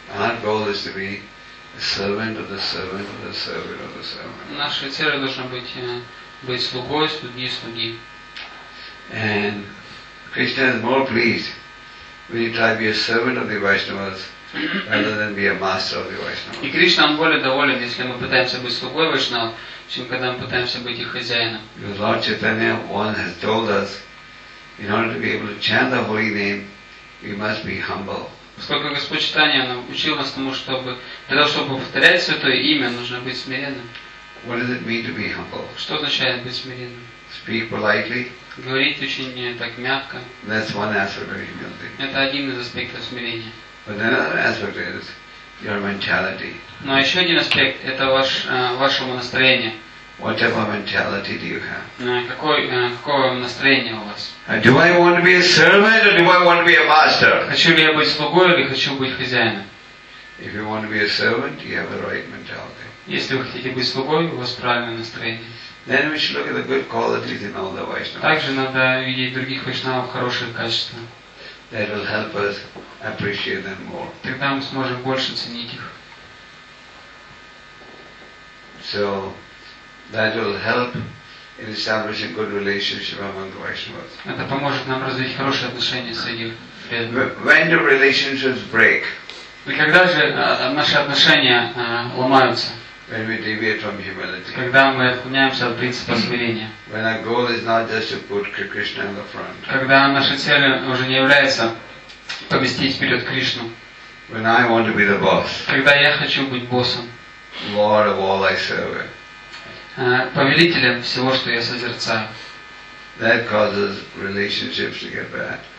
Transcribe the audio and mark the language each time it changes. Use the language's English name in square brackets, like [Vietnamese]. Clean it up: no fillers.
[English] Our goal is to be a servant of the servant of the servant of the servant. [Russian] Наша цель должна быть слугой слуги. [English] And Krishna is more pleased we need to be a servant of the Vaishnavas rather than be a master of the Vaishnavas. [Russian] И Кришна более доволен, если мы пытаемся быть слугой Вайшнав, чем когда мы пытаемся быть их хозяином. [English] Because Lord Chaitanya once has told us, in order to be able to chant the holy name, we must be humble. [Russian] Поскольку Господь Читания научил нас тому, чтобы для того, чтобы повторять Святое Имя, нужно быть смиренным. [English] What does it mean to be humble? [Russian] Что означает быть смиренным? [English] Speak politely. [Russian] Говорить очень так мягко. [English] That's one aspect of humility. [Russian] Это один из аспектов смирения. [English] But another aspect is your mentality. [Russian] Но еще один аспект – это ваше настроение. [English] What type of mentality do you have? [Russian] Какое настроение у вас? [English] Do I want to be a servant or do I want to be a master? [Russian] Хочу ли я быть слугой или хочу быть хозяином? [English] If you want to be a servant, you have the right mentality. [Russian] Если вы хотите быть слугой, у вас правильное настроение. [English] Then we should look at the good qualities in all the Vaishnavas. [Russian] Также надо видеть других вайшнавов хорошие качества. [English] That will help us appreciate them more. [Russian] Тогда мы сможем больше ценить их. [English] So that will help in establishing good relationship among the Vaishnavas. [Russian] Это поможет нам развить хорошие отношения среди преданных. [English] When do relationships break? [Russian] И когда же наши отношения ломаются? [English] When we deviate from humility. [Russian] Когда мы отклоняемся от принципа смирения. [English] When our goal is not just to put Krishna in the front. [Russian] Когда наша цель уже не является поместить вперед Кришну. [English] When I want to be the boss. [Russian] Когда я хочу быть боссом. [English] Lord of all I serve. [Russian] Повелителем всего, что я созерцаю. [English] That causes relationships to get bad.